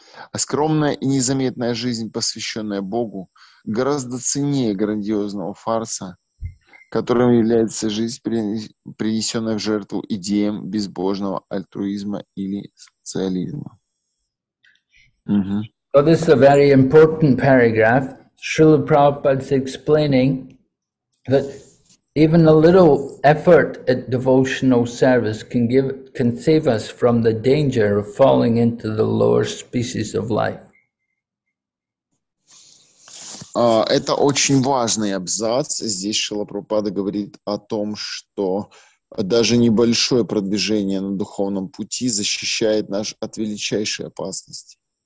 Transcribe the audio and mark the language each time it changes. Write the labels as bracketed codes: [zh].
[ru] А скромная и незаметная жизнь, посвященная Богу, гораздо ценнее грандиозного фарса, которым является жизнь, принесенная в жертву идеям безбожного альтруизма или социализма. [en] So this is a very important paragraph. Srila Prabhupada is explaining that even a little effort at devotional service can save us from the danger of falling into the lower species of life. [ru] Это очень важный абзац. Здесь Шрила Прабхупада говорит о том, что даже небольшое продвижение на духовном пути защищает нас от величайшей опасности.